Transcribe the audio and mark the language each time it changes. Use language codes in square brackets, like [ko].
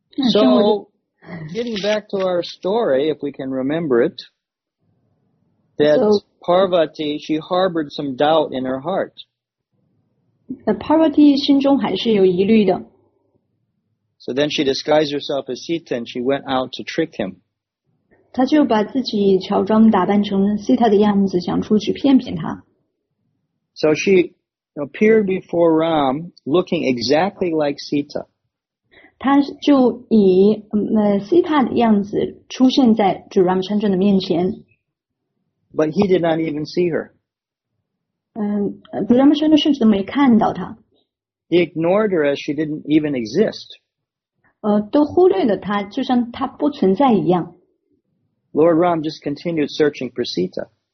[en] So, getting back to our story, if we can remember it, that Parvati, she harbored some doubt in her heart. [zh] Parvati 心中还是有疑虑的。 [en] So then she disguised herself as Sita and she went out to trick him. [zh] 她就把自己乔装打扮成Sita的样子，想出去骗骗他。 [en] So she appeared before Ram looking exactly like Sita. [zh] 她就以Sita的样子出现在主Ramachandra的面前。 [en] But he did not even see her. [zh] Ramachandra甚至都没看到她。 [en] He ignored her as she didn't even exist. [zh] 都忽略了他，就像他不存在一样。 [en] Lord Ram just continued searching for Sita.